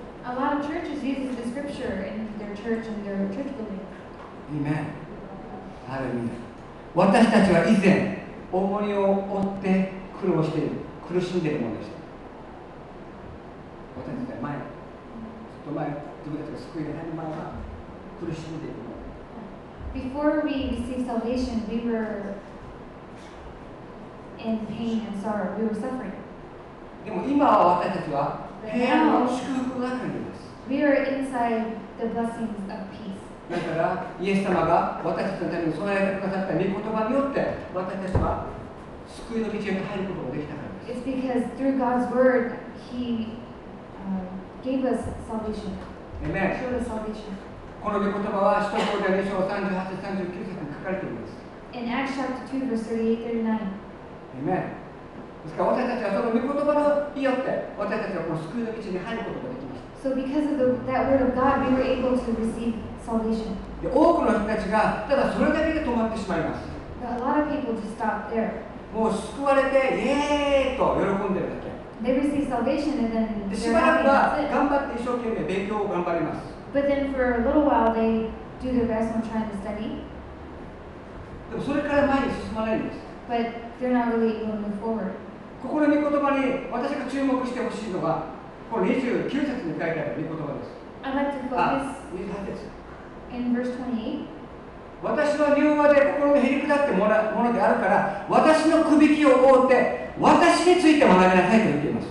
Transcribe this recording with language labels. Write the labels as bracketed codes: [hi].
[ja] 私たちは以前重荷を負って苦労している苦しんでいるものでした。私たちは前ずっと前自分たちが救いられないまま苦しんでいるもの。 [en] Before we received salvation, we were in pain and sorrow. We were suffering. [ja] でも今は私たちは平安の祝福の中にいます。 [en] We are inside the blessings of peace. [ja] だからイエス様が私たちのために備えてくださった御言葉によって私たちは救いの道へと入ることができたからです。 [en] It's because through God's word, He gave us salvation. Amen. Showed us salvation. [ja] この御言葉は使徒行伝2章38、39節に書かれています。 [en] In Acts chapter 2 verse 38, 39. Amen. [ja] ですから私たちはその御言葉によって私たちはこの救いの道に入ることができました。 [en] So because of that word of God, we were able to receive salvation. [ja] で、多くの人たちがただそれだけで止まってしまいます。 [en] But a lot of people just stop there. [ja] もう救われてイエーイと喜んでるだけ。 [en] They receive salvation and then they're happy. But then for a little while they do their best and try to study. But they're not really able to move forward. [ja] ここの御言葉に私が注目してほしいのがこの29節に書いてある御言葉です。 [en] I'd like to focus in verse 28. [ja] 私は柔和で心のへりくだってものであるから私の首輝きを覆って私について学びなさいと言っています。